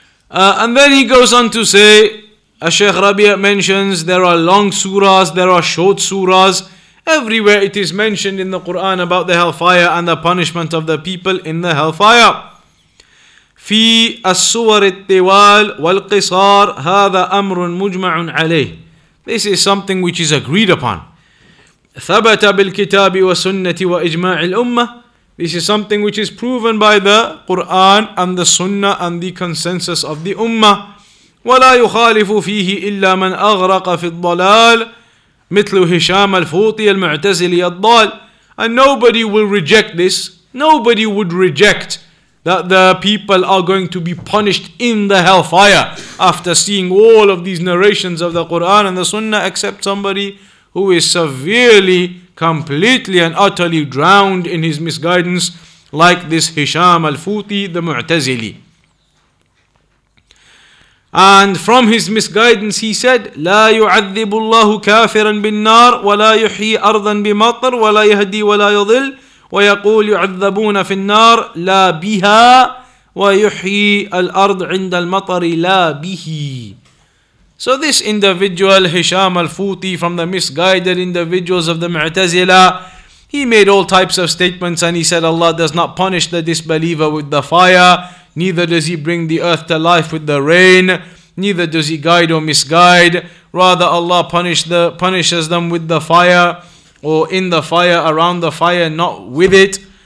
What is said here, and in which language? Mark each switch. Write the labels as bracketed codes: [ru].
[en] And then he goes on to say, as Shaykh Rabee mentions, there are long surahs, there are short surahs. Everywhere it is mentioned in the Quran about the hellfire and the punishment of the people in the hellfire. [ar] في السور الطوال والقصار هذا أمر مجمع عليه. [en] This is something which is agreed upon. [ar] ثَبَتَ بِالْكِتَابِ وَسُنَّةِ وَإِجْمَاعِ الْأُمَّةِ. [en] This is something which is proven by the Qur'an and the Sunnah and the consensus of the Ummah. [ar] وَلَا يُخَالِفُ فِيهِ إِلَّا مَنْ أَغْرَقَ فِي الضَّلَالِ مِثْلُ هِشَامَ الْفُوطِيَ الْمُعْتَزِلِيَ الضَّالِ. [en] And nobody will reject this. Nobody would reject that the people are going to be punished in the hellfire after seeing all of these narrations of the Quran and the Sunnah, except somebody who is severely, completely and utterly drowned in his misguidance, like this Hisham al-Futi, the Mu'tazili. And from his misguidance he said, [ar] لا يعذب الله كافرا بالنار ولا يحيي أرضا بمطر ولا يهدي ولا يضل ويقول يعذبون في النار لا بها ويحيي الأرض عند المطر لا به. [en] So this individual, Hisham al-Futi, from the misguided individuals of the Mu'tazila, he made all types of statements and he said, Allah does not punish the disbeliever with the fire, neither does he bring the earth to life with the rain, neither does he guide or misguide, rather Allah punishes them with the fire, or in the fire, around the fire, not with it,